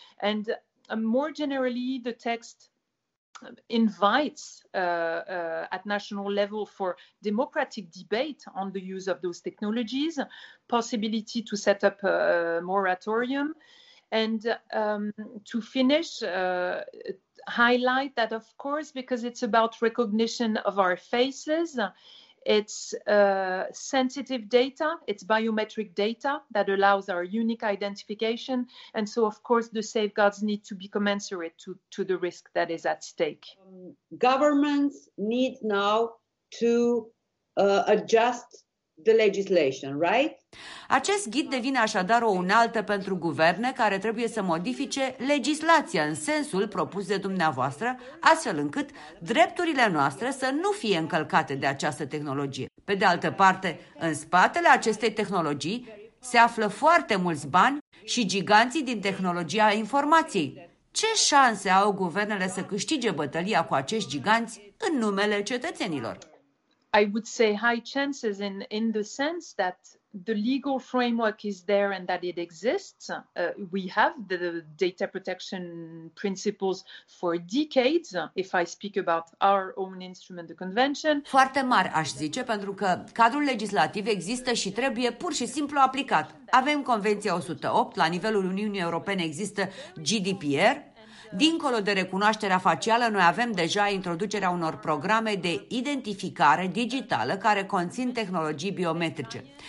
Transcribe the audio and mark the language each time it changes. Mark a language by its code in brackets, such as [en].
[en] And more generally, the text invites at national level for democratic debate on the use of those technologies, possibility to set up a moratorium, and to finish, highlight that, of course, because it's about recognition of our faces, it's sensitive data, it's biometric data that allows our unique identification. And so, of course, the safeguards need to be commensurate to the risk that is at stake. Governments need now to adjust the legislation, right? [ro] Acest ghid devine așadar o unaltă pentru guverne care trebuie să modifice legislația în sensul propus de dumneavoastră, astfel încât drepturile noastre să nu fie încălcate de această tehnologie. Pe de altă parte, în spatele acestei tehnologii se află foarte mulți bani și giganții din tehnologia informației. Ce șanse au guvernele să câștige bătălia cu acești giganți în numele cetățenilor? [en] I would say high chances in the sense that the legal framework is there and that it exists. We have the data protection principles for decades, if I speak about our own instrument, the convention. [ro] Foarte mari, aș zice, pentru că cadrul legislativ există și trebuie pur și simplu aplicat. Avem Convenția 108, la nivelul Uniunii Europene există GDPR. Dincolo de recunoașterea facială, noi avem deja introducerea unor programe de identificare digitală care conțin tehnologii biometrice.